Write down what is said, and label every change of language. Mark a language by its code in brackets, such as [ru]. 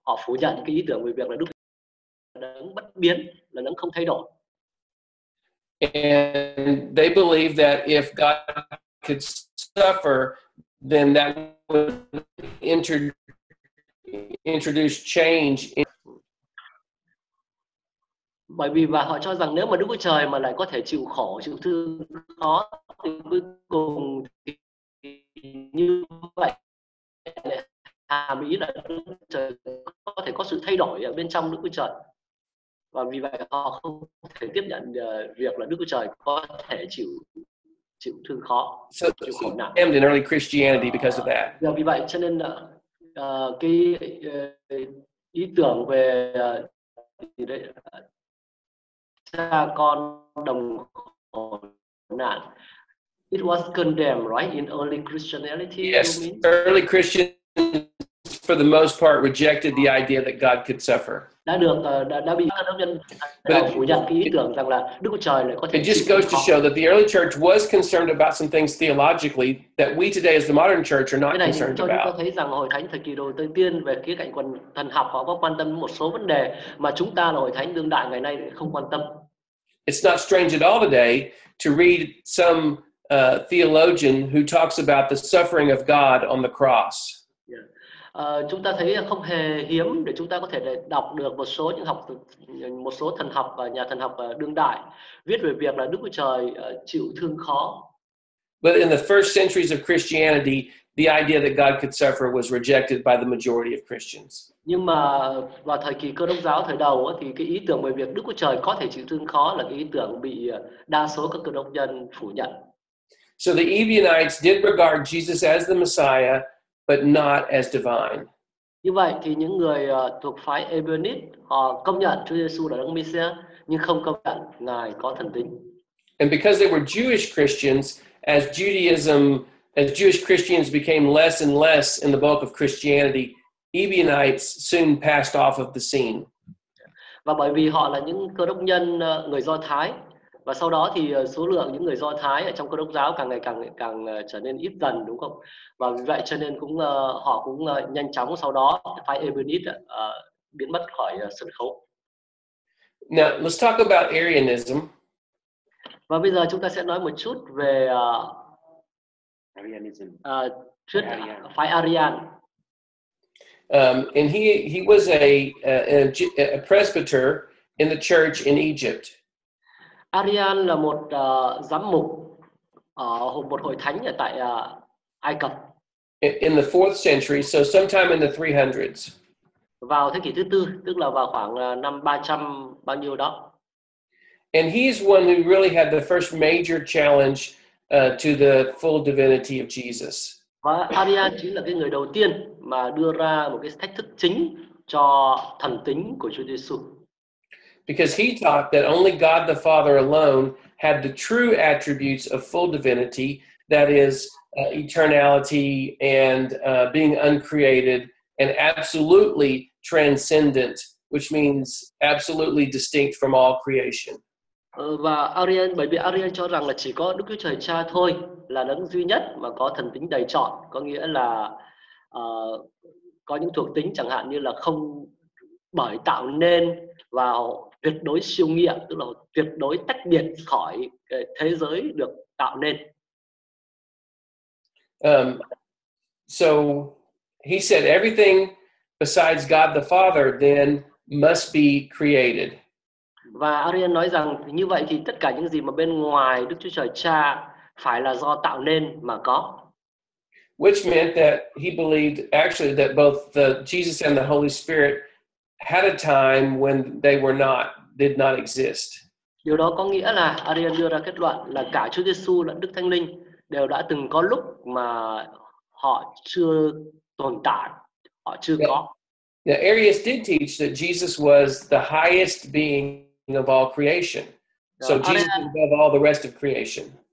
[vi] Họ phủ nhận cái ý tưởng về việc là Đức Chúa Trời là đấng bất biến, là đấng không thay đổi. [en] And they believe that if God could suffer, then that would introduce change in. [vi] Bởi vì và họ cho rằng nếu mà Đức Chúa Trời mà lại có thể chịu khổ, chịu thương khó thì cuối cùng thì như vậy hàm ý là Đức Chúa Trời có thể có sự thay đổi ở bên trong Đức Chúa Trời. Và vì vậy họ không thể tiếp nhận việc là Đức Chúa Trời có thể chịu thương khó, chịu khổ nạn. [en] Condemned in early Christianity because of that. [vi] Vì vậy cho nên cái ý tưởng về cha con đồng khổ nạn. [en] It was condemned, right, in early Christianity? Yes, early Christians, for the most part, rejected the idea that God could suffer. It just goes to show that the early church was concerned about some things theologically that we today as the modern church are not concerned about. [vi] Chúng ta thấy rằng hội thánh thời kỳ đầu tiên về khía cạnh thần học họ có quan tâm một số vấn đề mà chúng ta là hội thánh đương đại ngày nay không quan tâm. [en] It's not strange at all today to read some theologian who talks about the suffering of God on the cross. [vi] Chúng ta thấy không hề hiếm để chúng ta có thể đọc được một số thần học và nhà thần học đương đại viết về việc là Đức Chúa Trời chịu thương khó. [en] But in the first centuries of Christianity, the idea that God could suffer was rejected by the majority of Christians. [vi] Nhưng mà vào thời kỳ Cơ Đốc giáo thời đầu thì cái ý tưởng về việc Đức Chúa Trời có thể chịu thương khó là cái ý tưởng bị đa số các Cơ Đốc nhân phủ nhận. [en] So the Ebionites did regard Jesus as the Messiah, but not as divine. [vi] Như vậy thì những người thuộc phái Ebionite họ công nhận Chúa Giêsu là Đấng Messiah nhưng không công nhận Ngài có thần tính. [en] And because they were Jewish Christians, as Jewish Christians became less and less in the bulk of Christianity, Ebionites soon passed off of the scene. [vi] Và bởi vì họ là những Cơ Đốc nhân người Do Thái và sau đó thì số lượng những người Do Thái ở trong Cơ Đốc giáo càng ngày càng trở nên ít dần, đúng không? Và vì vậy cho nên cũng họ cũng nhanh chóng sau đó phái Ebionite biến mất khỏi sân khấu. [en] Now, let's talk about Arianism. [vi] Và bây giờ chúng ta sẽ nói một chút về [en] Arianism. [vi] Phái Arian. [en] And he was a presbyter in the church in Egypt. [vi] Arian là một giám mục ở một hội thánh ở tại Ai Cập. [en] In the 4th century, so sometime in the 300s. [vi] Vào thế kỷ thứ tư, tức là vào khoảng năm 300 bao nhiêu đó. [en] And he's one who really had the first major challenge to the full divinity of Jesus. [vi] Và Arian chính là cái người đầu tiên mà đưa ra một cái thách thức chính cho thần tính của Chúa Giêsu. [en] Because he taught that only God the Father alone had the true attributes of full divinity, that is eternality and being uncreated and absolutely transcendent, which means absolutely distinct from all creation. [vi] Và Arian, bởi vì Arian cho rằng là chỉ có Đức Chúa Trời Cha thôi là đấng duy nhất mà có thần tính đầy trọn, có nghĩa là có những thuộc tính chẳng hạn như là không bởi tạo nên và tuyệt đối siêu nghiệm, tức là tuyệt đối tách biệt khỏi thế giới được tạo nên. [en] So he said everything besides God the Father then must be created. [vi] Và Arian nói rằng như vậy thì tất cả những gì mà bên ngoài Đức Chúa Trời Cha phải là do tạo nên mà có. [en] Which meant that he believed actually that both the Jesus and the Holy Spirit had a time when they were not, did not exist. [vi] Điều đó có nghĩa là Arian đưa ra kết luận là cả Chúa Giêsu lẫn Đức Thánh Linh đều đã từng có lúc mà họ chưa tồn tại, họ chưa có. [en] Now, Arius did teach that Jesus was the highest being of all creation. So Jesus is above all the rest of creation.